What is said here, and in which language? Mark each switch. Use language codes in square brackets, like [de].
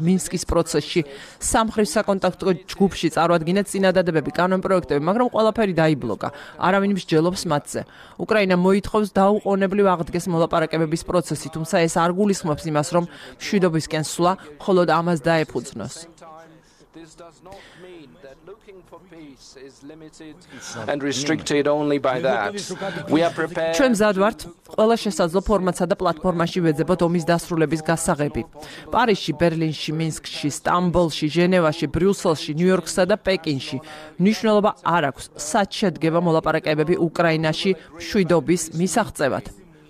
[ka] მინსკის პროცესში სამხრივ საკონტაქტო ჯგუფში წარადგინეთ წინადადებები, კანონპროექტები, მაგრამ ყველაფერი დაიბლოკა. არავინ მსჯელობს მათზე. უკრაინა მოითხოვს დაუყოვნებლივ აღდგეს მოლაპარაკებების პროცესი, თუმცა ეს არ გულისხმობს იმას, რომ მშვიდობისკენ სვლა მხოლოდ ამას დაეფუძნოს. [en] This does not mean that looking for peace is limited and restricted only by that. We are prepared. [ka] ჩვენ მზად ვართ ყველა შესაძლო ფორმატსა და პლატფორმაში ვეძებოთ ომის დასრულების გასაღები. პარიზში, ბერლინში, მინსკში, სტამბოლში, ჟენევაში, ბრიუსელში, ნიუ-იორკსა და პეკინში მნიშვნელობა არ აქვს. სად შედგება მოლაპარაკებები უკრაინაში მშვიდობის მისაღწევად?